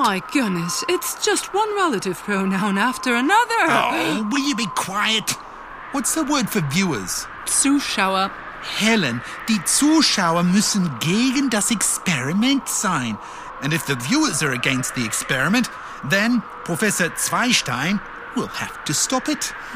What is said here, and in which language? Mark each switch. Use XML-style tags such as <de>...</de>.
<en>My goodness, it's just one relative pronoun after another. Oh, will you be quiet? What's the word for viewers?</en> <de>Zuschauer. Helen, die Zuschauer müssen gegen das Experiment sein.</de> <en>And if the viewers are against the experiment, then Professor Zweistein will have to stop it.</en>